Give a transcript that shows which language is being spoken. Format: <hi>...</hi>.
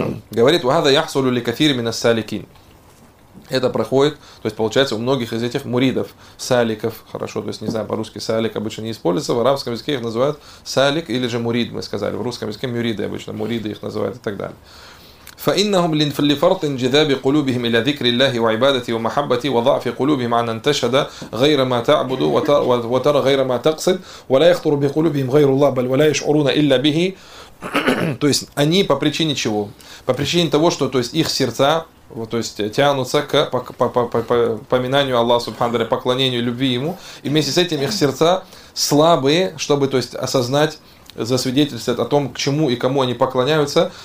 <ru>Говорит,</ru> <ar>«Ва-хаза яхсулю ли кафири мина саликин».</ar> <ru>Это проходит, то есть получается у многих из этих муридов, саликов, хорошо, то есть не знаю, по-русски салик обычно не используется, в арабском языке их называют салик или же мурид, мы сказали, в русском языке мюриды обычно, муриды их называют и так далее.</ru> <ar>فإنهم لفرط انجذاب قلوبهم إلى ذكر الله وعبادته ومحبته وضعف قلوبهم عن أن تشهد غير ما تعبد وترى غير ما تقصد ولا يخطر بقلوبهم غير الله بل ولا يشعرون إلا به.</ar> <ru>То есть они по причине чего? По причине того, что то есть их сердца вот, то есть тянутся к поминанию Аллаха Субхану Таля, поклонению, любви Ему. И вместе с этим их сердца слабые, чтобы то есть, осознать, засвидетельствовать о том, к чему и кому они поклоняются.</ru>